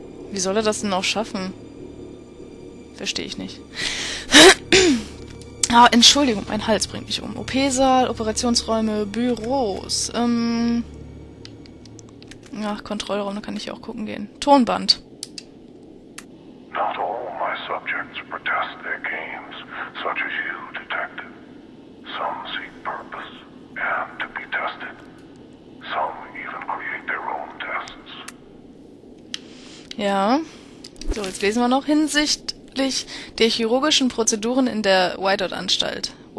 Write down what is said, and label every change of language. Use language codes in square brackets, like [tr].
[de] Wie soll er das denn auch schaffen? Verstehe ich nicht. Ah, Entschuldigung, mein Hals bringt mich um. OP-Saal, Operationsräume, Büros. Ach, Kontrollraum, da kann ich auch gucken gehen. Tonband. [en] Not all my subjects protest their games, such as you, Detective. Some seek purpose and to be tested. Some even create their own tests. [de] Ja. So, jetzt lesen wir noch Hinsicht. Der chirurgischen Prozeduren in der Whitehurst-Anstalt.